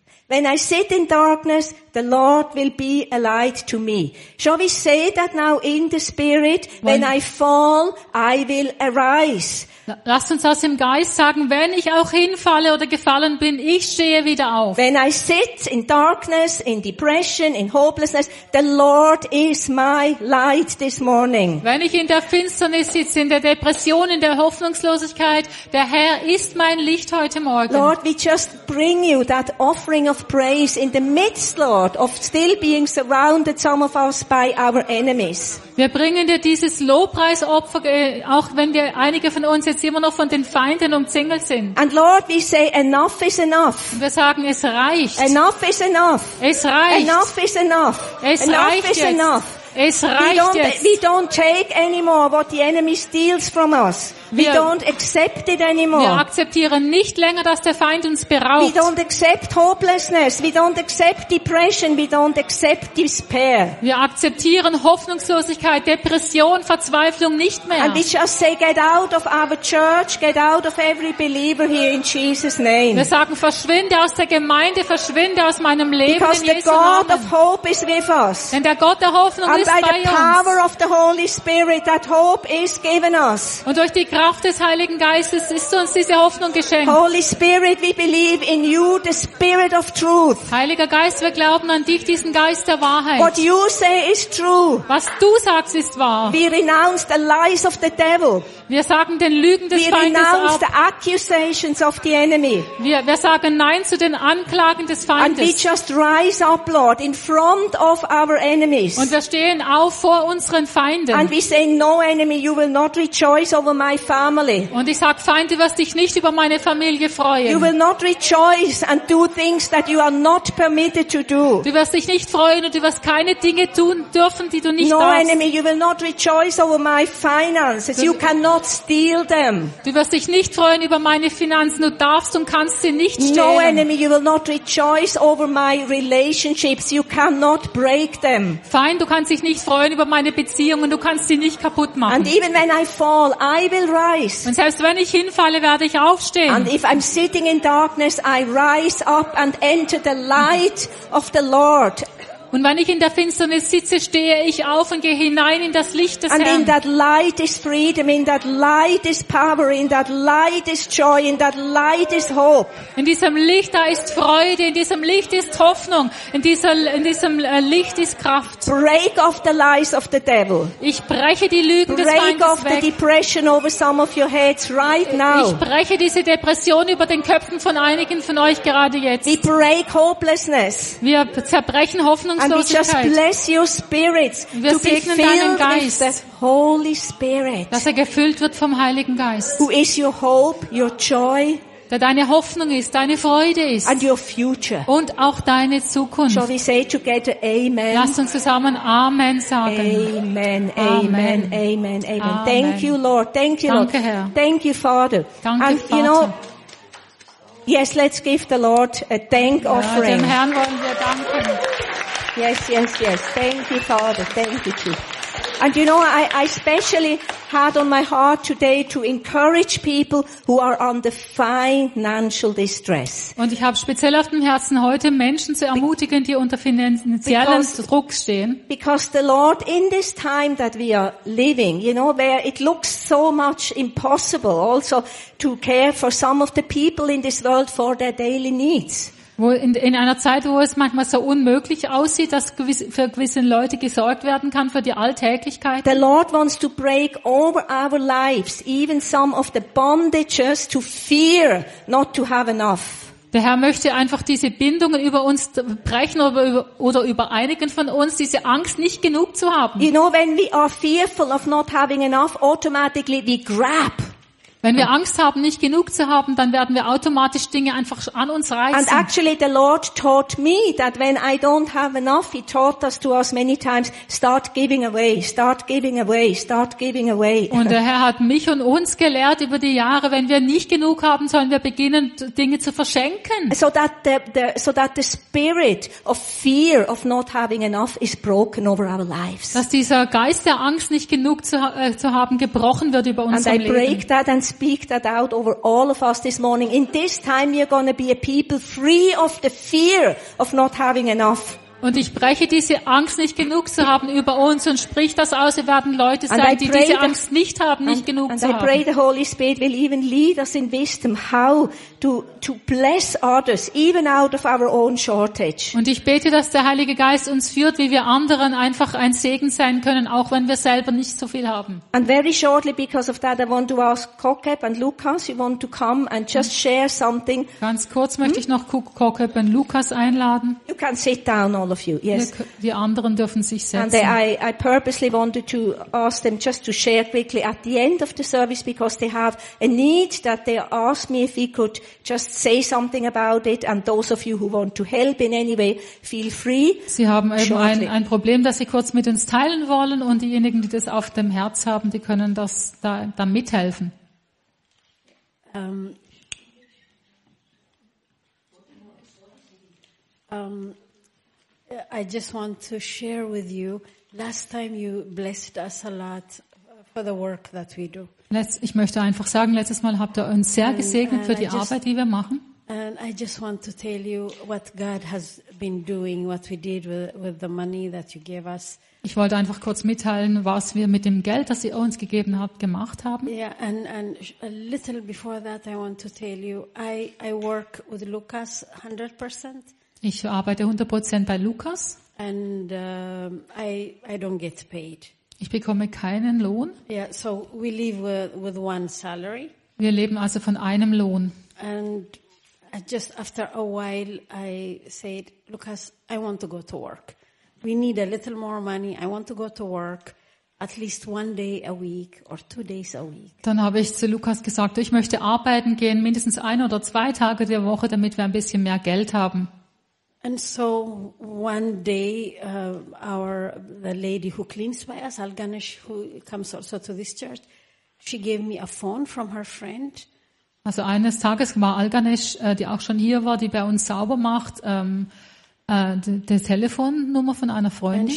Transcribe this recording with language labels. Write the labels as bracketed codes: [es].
[en] When I sit in darkness, the Lord will be a light to me. Shall we say that now in the spirit? When I fall, I will arise. [de] Lasst uns das im Geist sagen, wenn ich auch hinfalle oder gefallen bin, ich stehe wieder auf. [en] When I sit in darkness, in depression, in hopelessness, the Lord is my light this morning. [de] Wenn ich in der Finsternis sitze, in der Depression, in der Hoffnungslosigkeit, der Herr ist mein Licht heute Morgen. [en] Lord, we just bring you that offering of praise in the midst, Lord, of still being surrounded some of us by our enemies. [de] Wir bringen dir dieses Lobpreisopfer, auch wenn wir einige von uns jetzt immer noch von den Feinden umzingelt sind. [en] And Lord, we say enough is enough. [de] Wir sagen, es reicht. [en] Enough is enough. [de] Es reicht. [en] Enough is enough. [de] Es reicht jetzt. [en] Enough is enough. [de] Es reicht jetzt. [en] We don't take anymore what the enemy steals from us. We don't accept it anymore. [de] Wir akzeptieren nicht länger, dass der Feind uns beraubt. [en] We don't accept hopelessness. We don't accept depression. We don't accept despair. [de] Wir akzeptieren Hoffnungslosigkeit, Depression, Verzweiflung nicht mehr. [en] And we just say, get out of our church, get out of every believer here in Jesus' name. [de] Wir sagen, verschwinde aus der Gemeinde, verschwinde aus meinem Leben. [en] Because [de] in Jesu [en] the God [de] Namen. [en] Of hope is with us. [de] Denn der Gott der Hoffnung [en] and by the power of the Holy Spirit that hope is given us. [de] Und durch die Kraft des Heiligen Geistes ist uns diese Hoffnung geschenkt. [en] Holy Spirit, we believe in you, the Spirit of truth. [de] Heiliger Geist, wir glauben an dich, diesen Geist der Wahrheit. [en] What you say is true. [de] Was du sagst, ist wahr. [en] We renounce the lies of the devil. [de] Wir sagen den Lügen des Feindes ab. [en] We renounce the accusations of the enemy. [de] Wir sagen Nein zu den Anklagen des Feindes. [en] And we just rise up, Lord, in front of our enemies. [de] Und wir stehen auf vor unseren Feinden. [en] And we say, no enemy, you will not rejoice over my family. [de] Und ich sage, Feinde, du wirst dich nicht über meine Familie freuen. [en] You will not rejoice and do things that you are not permitted to do. [de] Du wirst dich nicht freuen und du wirst keine Dinge tun dürfen, die du nicht [en] no [de] darfst. [en] No enemy, you will not rejoice over my finances. You cannot steal them. [de] Du wirst dich nicht freuen über meine Finanzen. Du darfst und kannst sie nicht stehlen. [en] No enemy, you will not rejoice over my relationships. You cannot break them. [de] Feind, du kannst dich nicht freuen über meine Beziehungen. Du kannst sie nicht kaputt machen. [en] And even when I fall, I will rise. [de] Und selbst wenn ich hinfalle, werde ich aufstehen. [en] And if I'm sitting in darkness, I rise up and enter the light of the Lord. [de] Und wenn ich in der Finsternis sitze, stehe ich auf und gehe hinein in das Licht des [en] and [de] Herrn. [en] And in that light is freedom, in that light is power, in that light is joy, in that light is hope. [de] In diesem Licht da ist Freude, in diesem Licht ist Hoffnung, in diesem Licht ist Kraft. [en] Break off the lies of the devil. [de] Ich breche die Lügen [en] break [de] des Feindes weg. [en] Break off the depression over some of your heads right now. [de] Ich breche diese Depression über den Köpfen von einigen von euch gerade jetzt. [en] We break hopelessness. [de] Wir zerbrechen Hoffnung. [en] And we just bless your spirits [de] wir to segnen [en] be filled [de] deinen Geist, [en] with the Holy Spirit, [de] dass er gefüllt wird vom Heiligen Geist, [en] who is your hope, your joy, [de] der deine Hoffnung ist, deine Freude ist, [en] and your future, [de] und auch deine Zukunft. [en] Shall we say together, Amen? [de] Lasst uns zusammen Amen sagen. [en] Amen, Amen, Amen, Amen. Amen. Thank you, Lord. Thank you, [de] danke, [en] Lord. [de] Herr. [en] Thank you, Father. [de] Danke, [en] and, [de] Vater. [en] You know, yes, let's give the Lord a thank offering. [de] Dem Herrn wollen wir danken. [en] Yes, yes, yes. Thank you, Father. Thank you, Chief. And you know, I especially had on my heart today to encourage people who are under financial distress. [de] Und ich habe speziell auf dem Herzen heute Menschen zu ermutigen, die unter finanziellem Druck stehen. [en] Because the Lord, in this time that we are living, you know, where it looks so much impossible also to care for some of the people in this world for their daily needs. [de] Wo in einer Zeit, wo es manchmal so unmöglich aussieht, dass für gewisse Leute gesorgt werden kann, für die Alltäglichkeit. [en] The Lord wants to break over our lives, even some of the bondages to fear not to have enough. [de] Der Herr möchte einfach diese Bindungen über uns brechen oder über einigen von uns, diese Angst, nicht genug zu haben. [en] You know, when we are fearful of not having enough, automatically we grab. [de] Wenn wir Angst haben, nicht genug zu haben, dann werden wir automatisch Dinge einfach an uns reißen. [en] And actually the Lord taught me that when I don't have enough, he taught us to us many times, start giving away, start giving away, start giving away. [de] Und der Herr hat mich und uns gelehrt über die Jahre, wenn wir nicht genug haben, sollen wir beginnen, Dinge zu verschenken. [en] So that the spirit of fear of not having enough is broken over our lives. [de] Dass dieser Geist der Angst, nicht genug zu haben, gebrochen wird über unser [en] and [de] Leben. [en] And I break that speak that out over all of us this morning. In this time you're going to be a people free of the fear of not having enough. [de] Und ich breche diese Angst, nicht genug zu haben, über uns und sprich das aus. Wir werden Leute sein, die diese Angst nicht haben, nicht genug zu haben. [en] And I pray the Holy Spirit will even lead us in wisdom how to bless others, even out of our own shortage. [de] Und ich bete, dass der Heilige Geist uns führt, wie wir anderen einfach ein Segen sein können, auch wenn wir selber nicht so viel haben. [en] And very shortly, because of that, I want to ask Kokeb and Lukas, you want to come and just share something. [de] Ganz kurz möchte ich noch Kokeb und Lukas einladen. [en] You can sit down on of you. Yes. [de] Die anderen dürfen sich setzen. [en] And I purposely wanted to ask them just to share quickly at the end of the service because they have a need that they asked me if we could just say something about it and those of you who want to help in any way feel free. [de] Sie haben eben ein Problem, das sie kurz mit uns teilen wollen und diejenigen, die das auf dem Herz haben, die können das da mithelfen. [en] I just want to share with you. Last time you blessed us a lot for the work that we do. [de] Ich möchte einfach sagen, letztes Mal habt ihr uns sehr gesegnet für die Arbeit, die wir machen. [en] And I just want to tell you what God has been doing, what we did with the money that you gave us. [de] Ich wollte einfach kurz mitteilen, was wir mit dem Geld, das ihr uns gegeben habt, gemacht haben. [en] Yeah, and a little before that I want to tell you, I work with Lucas 100%. [de] Ich arbeite 100% bei Lucas. [en] And I don't get paid. [de] Ich bekomme keinen Lohn. [en] Yeah, so we live with one salary. [de] Wir leben also von einem Lohn. [en] And just after a while I said, Lucas, I want to go to work. We need a little more money. I want to go to work at least one day a week or 2 days a week. [de] Dann habe ich zu Lukas gesagt, ich möchte arbeiten gehen, mindestens ein oder zwei Tage der Woche, damit wir ein bisschen mehr Geld haben. [en] And so one day the lady who cleans by us, Alganesh, who comes also to this church, she gave me a phone from her friend. [de] Also eines Tages war Alganesh, die auch schon hier war, die bei uns sauber macht, die Telefonnummer von einer Freundin.